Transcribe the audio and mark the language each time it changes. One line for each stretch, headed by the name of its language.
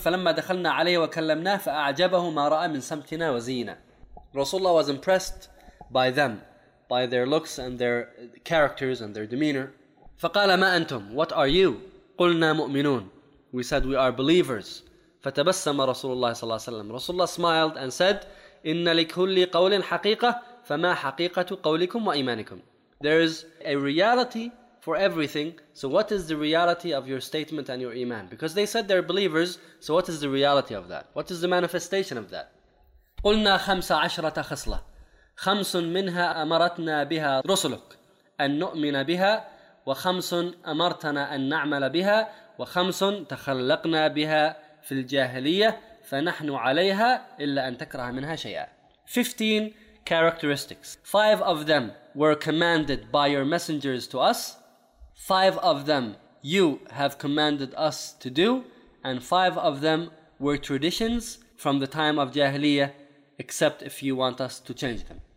Arabic: فَلَمَّا دَخَلْنَا عَلَيْهِ وَكَلَّمْنَاهُ فَأَعْجَبَهُ مَا رَأَى مِنْ سَمْتِنَا وَزِيْنَا.
English: Rasulullah was impressed by them, by their looks and their characters and their demeanor.
Arabic: فَقَالَ مَا أَنْتُمْ?
English: What are you?
Arabic: قُلْنَا مُؤْمِنُونَ.
English: We said, we are believers.
Arabic: فَتَبَسَّمَ رَسُولُ اللَّهِ ﷺ.
English: Rasulullah smiled and said,
Arabic: إِنَّ لِكُلِّ قَوْلٍ حَقِيقَةٌ فَمَا حَقِيقَةُ قَوْلِكُمْ وَإِيمَانِكُمْ.
English: There is a reality for everything. So what is the reality of your statement and your iman? Because they said they're believers. So what is the reality of that? What is the manifestation of that?
Arabic: قلنا خمسة عشرة خصلة خمس منها أمرتنا بها رسلك أن نؤمن بها وخمس أمرتنا أن نعمل بها وخمس تخلقنا بها في الجاهلية فنحن عليها إلا أن تكره منها شيئا.
English: 15 characteristics. 5 of them were commanded by your messengers to us, 5 of them you have commanded us to do, and 5 of them were traditions from the time of Jahiliyyah, except if you want us to change them.